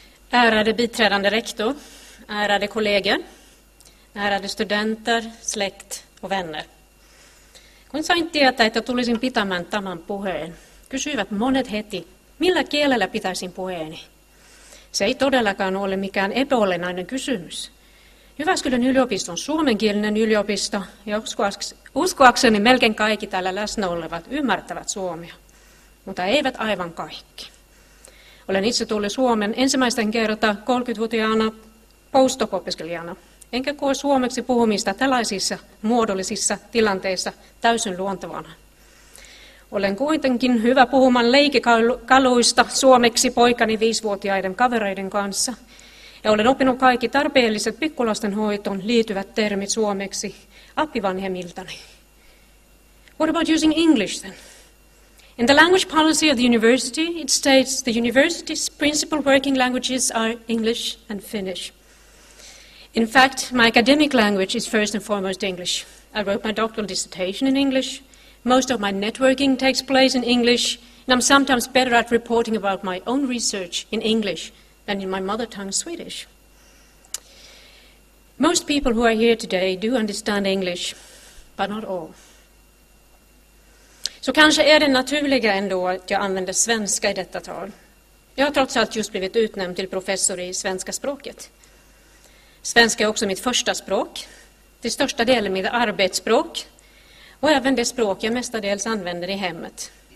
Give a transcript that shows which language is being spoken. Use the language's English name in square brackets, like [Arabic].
[Swedish] Ärade biträdande rektor, ärade kollegor, ärade studenter, släkt och vänner. [Finnish] Kun sain tietää, että tulisin pitämään tämän puheen, kysyivät monet heti, millä kielellä pitäisin puheeni. Se ei todellakaan ole mikään epäolennainen kysymys. Jyväskylän yliopiston suomenkielinen yliopisto ja uskoakseni melkein kaikki täällä läsnä olevat ymmärtävät suomea, mutta eivät aivan kaikki. Olen itse tullut Suomen ensimmäisten kertaa 30-vuotiaana postdoc-opiskelijana, enkä koe suomeksi puhumista tällaisissa muodollisissa tilanteissa täysin luontevana. Olen kuitenkin hyvä puhumaan leikikaluista suomeksi poikani 5-vuotiaiden kavereiden kanssa, ja olen oppinut kaikki tarpeelliset pikkulasten hoitoon liittyvät termit suomeksi appivanhemmiltani. [English] What about using English then? In the language policy of the university, it states the university's principal working languages are English and Finnish. In fact, my academic language is first and foremost English. I wrote my doctoral dissertation in English. Most of my networking takes place in English, and I'm sometimes better at reporting about my own research in English than in my mother tongue, Swedish. Most people who are here today do understand English, but not all. [Swedish] Så kanske är det naturliga ändå att jag använder svenska i detta tal. Jag har trots allt just blivit utnämnd till professor i svenska språket. Svenska är också mitt första språk, till största delen mitt arbetsspråk och även det språk jag mestadels använder i hemmet.